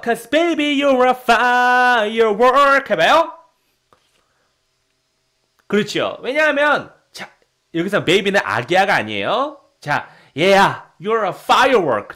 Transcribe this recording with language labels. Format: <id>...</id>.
<en>Cause baby you're a firework</en> <ko>해봐요. 그렇죠. 왜냐하면 자, 여기서 baby는 아기야가 아니에요. 자, 얘야,</ko> <en>you're a firework.</en>